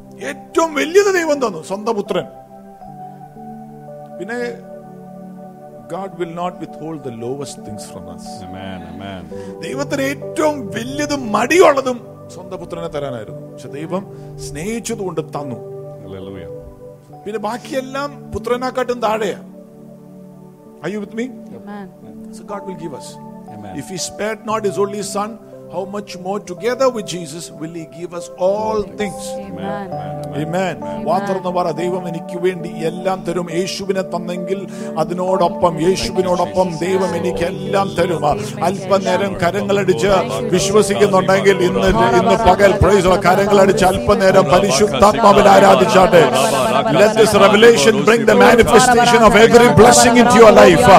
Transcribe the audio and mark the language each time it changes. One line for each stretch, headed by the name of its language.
Malayalam: ഏറ്റവും വലിയത് ദൈവം തന്നു സ്വന്തം പുത്രൻ പിന്നെ
English: God will not withhold the lowest things from us amen amen
Malayalam: ദൈവത്തിന് ഏറ്റവും വലിയതും മടിയുള്ളതും സ്വന്തം പുത്രനെ തരാനായിരുന്നു പക്ഷെ ദൈവം സ്നേഹിച്ചതുകൊണ്ട് തന്നു പിന്നെ ബാക്കിയെല്ലാം പുത്രനെക്കാട്ടും താഴെയാ
English: Are you with me? Amen. So God will give us. Amen. If he spared not his only son, how much more together with Jesus will he give us all things? Amen. Amen.
Malayalam: വാതുറന്നു പറ ദൈവം എനിക്ക് വേണ്ടി എല്ലാം തരും യേശുവിനെ തന്നെങ്കിൽ അതിനോടൊപ്പം യേശുവിനോടൊപ്പം ദൈവം എനിക്ക് എല്ലാം തരും അല്പനേരം കരങ്ങളടിച്ച് വിശ്വസിക്കുന്നുണ്ടെങ്കിൽ ഇന്ന് ഇന്ന് പകൽ കരങ്ങളടിച്ച് അല്പനേരം പരിശുദ്ധാത്മാവിൽ ആരാധിച്ചാട്ടെ
English: Let this revelation bring the manifestation of every blessing into your life.